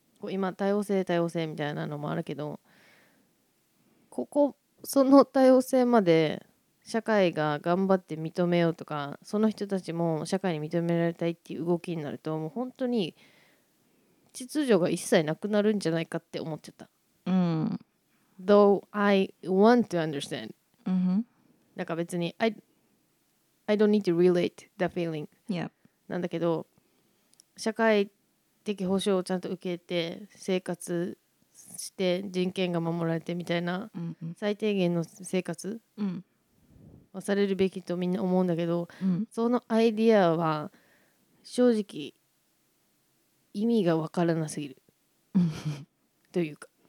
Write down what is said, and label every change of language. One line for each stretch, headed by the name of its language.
Japanese: 今多様性多様性みたいなのもあるけど、ここその多様性まで社会が頑張って認めようとか、その人たちも社会に認められたいっていう動きになると、もう本当に秩序が一切なくなるんじゃないかって思っちゃった。うん。
English: Though I want to understand。うん。
Japanese: なんか別に
English: I don't need to relate the feeling。 Yeah。
Japanese: なんだけど、社会的保障をちゃんと受けて生活して人権が守られてみたいな最低限の生活はされるべきとみんな思うんだけど、うん、そのアイディアは正直意味がわからなすぎるというか、